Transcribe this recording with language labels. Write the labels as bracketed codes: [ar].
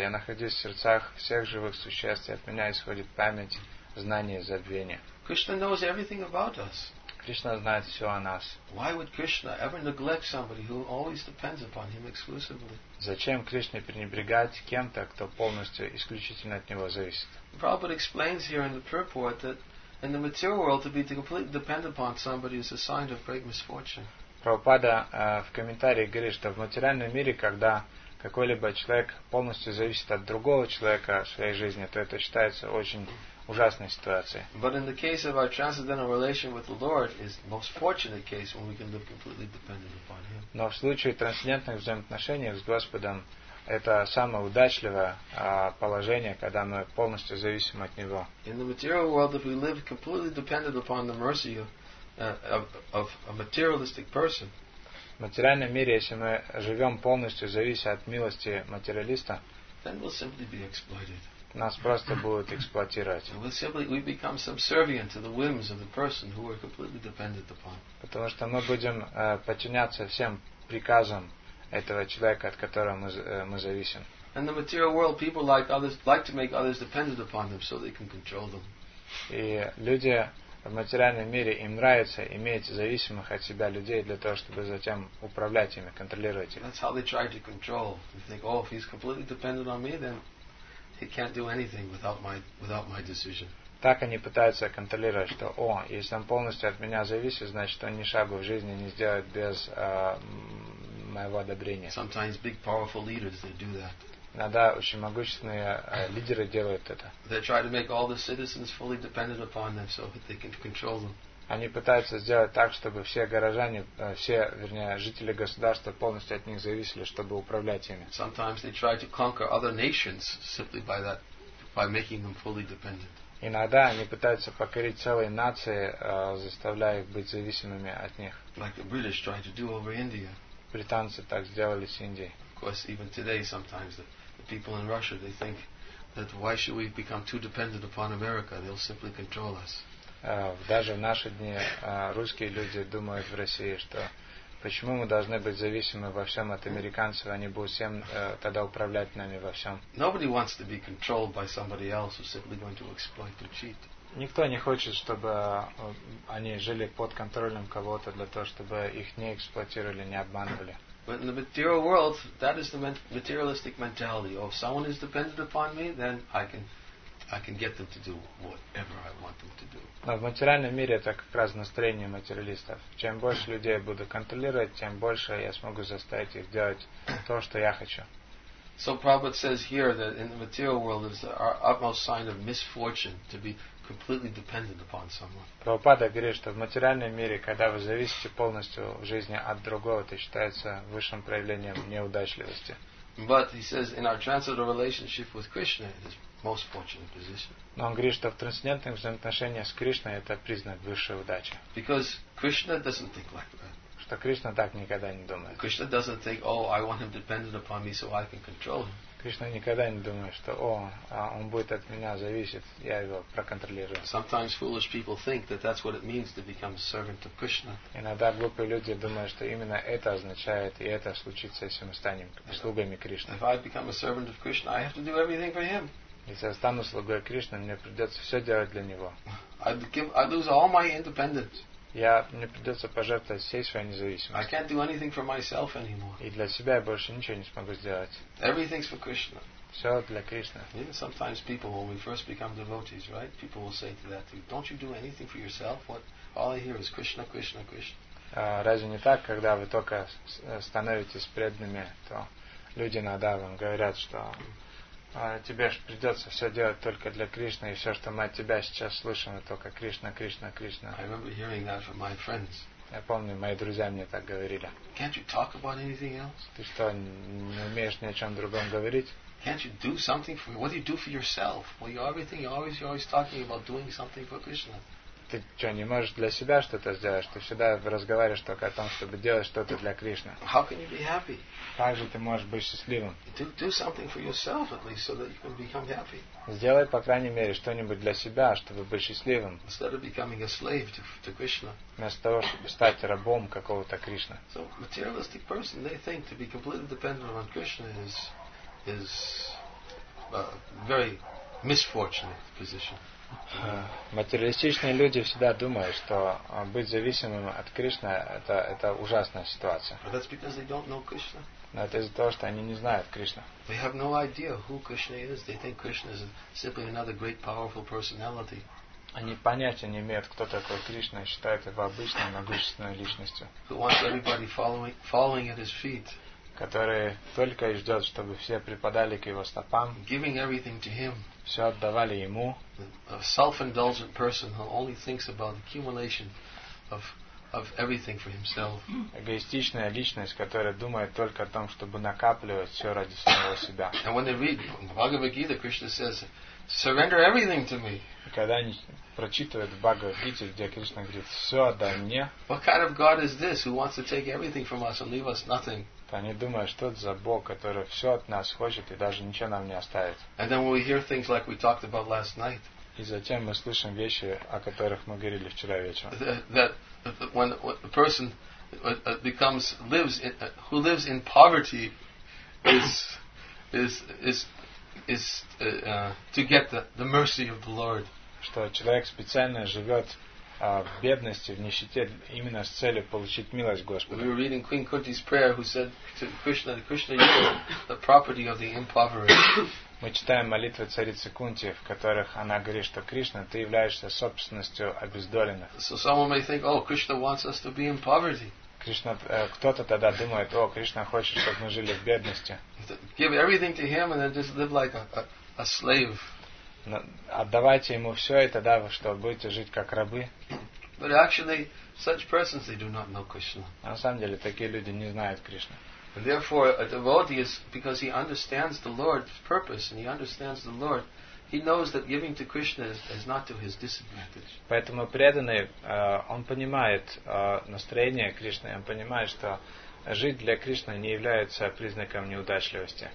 [ru] Я находюсь в сердцах всех живых существ, и от меня исходит память, знание и забвение. [en] Krishna knows everything about us. [ru] Кришна знает все о нас. [en] Why would Krishna ever neglect somebody who always depends upon him exclusively? [ru] Зачем Кришне пренебрегать кем-то, кто полностью исключительно от него зависит? [en] Prabhupada explains here in the purport that in the material world to be completely dependent upon somebody is a sign of great misfortune. [ru] Прабхупада в комментарии говорит, что в материальном мире, когда какой-либо человек полностью зависит от другого человека в своей жизни, то это считается очень ужасной ситуации. [en] But in the case of our transcendental relation with the Lord is the most fortunate case when we can live completely dependent upon Him. [ru] Но в случае трансцендентных взаимоотношений с Господом это самое удачливое положение, когда мы полностью зависим от Него. [en] In the material world, if we live completely dependent upon the mercy of a materialistic person. [ru] В материальном мире, если мы живем полностью зависим от милости материалиста, [en] then we'll simply be exploited. [ru] Нас просто будут эксплуатировать. Потому что мы будем подчиняться всем приказам этого человека, от которого мы зависим. [en] In the material world, people like others like to make others dependent upon them so they can control them. [ru] И люди в материальном мире им нравится иметь зависимых от себя людей для того, чтобы затем управлять ими, контролировать их. [en] That's how they try to control. They think, oh, if he's completely dependent on me, then he can't do anything without my decision. [ru] Так они пытаются контролировать, что, о, если он полностью от меня зависит, значит, он ни шагу в жизни не сделает без моего одобрения. [en] Sometimes big powerful leaders they do that. [ru] Иногда очень могущественные лидеры делают это. [en] They try to make all the citizens fully dependent upon them so that they can control them. [ru] Они пытаются сделать так, чтобы все горожане, все, вернее, жители государства полностью от них зависели, чтобы управлять ими. [en] Sometimes they try to conquer other nations simply by that, by making them fully dependent. [ru] Иногда они пытаются покорить целые нации, заставляя их быть зависимыми от них. [en] Like the British tried to do over India. [ru] Британцы так сделали с Индией. [en] Of course, even today, sometimes the people in Russia they think that why should we become too dependent upon America? They'll simply control us. [ru] Даже в наши дни русские люди думают в России, что почему мы должны быть зависимы во всем от американцев, они будут всем тогда управлять нами во всем. [en] Nobody wants to be controlled by somebody else who's simply going to exploit and cheat. [ru] Никто не хочет, чтобы они жили под контролем кого-то для того, чтобы их не эксплуатировали, не обманывали. [en] But in the material world, that is the materialistic mentality. Oh, if someone is dependent upon me, then I can I can get them to do whatever I want them to do. [ru] Но в материальном мире это как раз настроение материалистов. Чем больше людей буду контролировать, тем больше я смогу заставить их делать то, что я хочу. [en] So Prabhupada says here that in the material world is our utmost sign of misfortune to be completely dependent upon someone. [ru] Прабхупада говорит, что в материальном мире, когда вы зависите полностью в жизни от другого, это считается высшим проявлением неудачливости. [en] But he says in our transcendental relationship with Krishna it is most fortunate position. [ru] Но он говорит, что в трансцендентных взаимоотношениях с Кришной это признак высшей удачи. [en] Because Krishna doesn't think like that. [ru] Что Кришна так никогда не думает. [en] Krishna doesn't think, oh, I want him dependent upon me so I can control him. [ru] Кришна никогда не думает, что о, он будет от меня зависеть, я его проконтролирую. [en] Sometimes foolish people think that that's what it means to become a servant of Krishna. [ru] Иногда глупые люди думают, что именно это означает, и это случится, если мы станем слугами Кришны. [en] If I become a servant of Krishna, I have to do everything for him. [ru] Если я стану слугой Кришны, мне придется все делать для него. [en] I lose all my independence. [ru] Я мне придется пожертвовать всей своей независимостью. [en] I can't do anything for myself anymore. [ru] И для себя я больше ничего не смогу сделать. [en] Everything's for Krishna. [ru] Все для Кришны. [en] Even sometimes people, when we first become devotees, right? People will say to that, don't you do anything for yourself? What? All I hear is Krishna, Krishna, Krishna. [ru] Разве не так, когда вы только становитесь преданными, то люди иногда вам говорят, что тебе же придется все делать только для Кришны, и все, что мы от тебя сейчас слышим, только Кришна, Кришна, Кришна. [en] I remember hearing that from my friends. [ru] Я помню, мои друзья мне так говорили. [en] Can't you talk about anything else? [ru] Ты что, не умеешь ни о чем другом говорить? [en] Can't you do something for me? What do you do for yourself? Well, you're everything. You're always talking about doing something for Krishna. [ru] Ты что, не можешь для себя что-то сделать? Ты всегда разговариваешь только о том, чтобы делать что-то для Кришны. [en] How can you be happy? [ru] Как же ты можешь быть счастливым? [en] Do something for yourself at least so that you can become happy. [ru] Сделай, по крайней мере, что-нибудь для себя, чтобы быть счастливым. [en] Instead of becoming a slave to Krishna. [ru] Вместо того, чтобы стать рабом какого-то Кришны. [en] So materialistic person, they think to be completely dependent on Krishna is very misfortunate position. [ru] Материалистичные люди всегда думают, что быть зависимым от Кришны это ужасная ситуация. [en] But that's because they don't know Krishna. [ru] Но это из-за того, что они не знают Кришну. [en] They have no idea who Krishna is. They think Krishna is simply another great powerful personality. [ru] Они понятия не имеют, кто такой Кришна, и считают его обычной могущественной личностью. [en] Who wants everybody following at his feet. [ru] Который только и ждет, чтобы все припадали к его стопам. [en] Giving everything to him. [ru] Все отдавали ему. [en] A self-indulgent person who only thinks about accumulation of everything for himself. [ru] Эгоистичная личность, которая думает только о том, чтобы накапливать все ради самого себя. [en] And when they read Bhagavad Gita, Krishna says, "Surrender everything to me." [ru] Когда они прочитывают Бхагавад Гиту, где Кришна говорит, "Все отдай мне." [en] What kind of God is this who wants to take everything from us and leave us nothing? [ru] Они думают, что это за Бог, который все от нас хочет и даже ничего нам не оставит. [en] And then we hear things like we talked about last night. [ru] И затем мы слышим вещи, о которых мы говорили вчера вечером. [en] That when a person who lives in poverty is to get the mercy of the Lord. [ru] Что человек специально живет в бедности, в нищете, именно с целью получить милость Господа. [en] We were reading Queen Kunti's prayer, who said to Krishna, Krishna, you are the property of the impoverished. [ru] Мы читаем молитвы царицы Кунти, в которых она говорит, что Кришна, ты являешься собственностью обездоленных. [en] So someone may think, oh, Krishna wants us to be in poverty. [ru] Кришна, кто-то тогда думает, о, Кришна хочет, чтобы мы жили в бедности. [en] Give everything to him and then just live like a slave. [ru] Отдавайте ему все, и тогда вы что, будете жить как рабы? [en] But actually, such persons, they do not know Krishna. [ru] На самом деле, такие люди не знают Кришну. [en] And therefore, a devotee is, because he understands the Lord's purpose, and he understands the Lord, he knows that giving to Krishna is not to his disadvantage. [ru] Поэтому преданный, он понимает настроение Кришны, он понимает, что жить для Кришны не является признаком неудачливости.